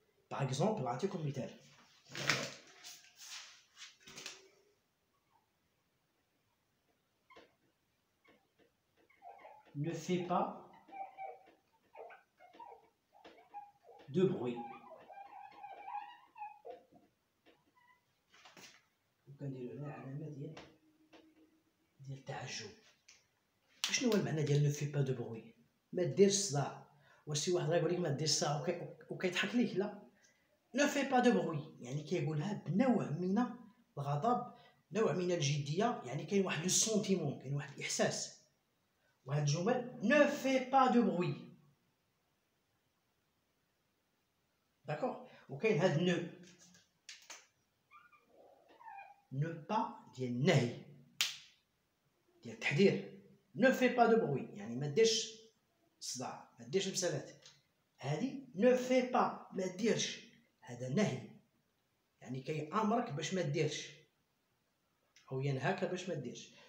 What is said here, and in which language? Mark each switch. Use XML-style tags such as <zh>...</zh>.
<ar>باغ اكزومبل نعطيكم مثال،</ar> <fr>ne fais pas de bruit.</fr> <ar>وكان ديروا لها علامه ديال التعجب. شنو هو المعنى ديال</ar> <fr>ne fais pas de bruit؟</fr> <ar>ما ديرش صداع. واش شي واحد غيقول لك ما ديرش صداع وكيضحك ليك؟ لا، ne fais pas de bruit يعني كيقولها بنوع من الغضب، نوع من الجديه، يعني كاين واحد لو سونتيمون، كاين واحد الاحساس. وهاد الجمل</ar> <fr>ne fais pas de bruit.</fr> <ar>داكور، وكاين هاد نو، ne pas ديال النهي، ديال التحذير.</ar> <fr>ne fais pas de bruit</fr> <ar>يعني ما ديرش صداع، ما ديرش بسلات. هادي</ar> <fr>ne fais pas،</fr> <ar>ما ديرش، هذا نهي، يعني كيأمرك باش ما ديرش، هو ينهاك باش ما ديرش.</ar>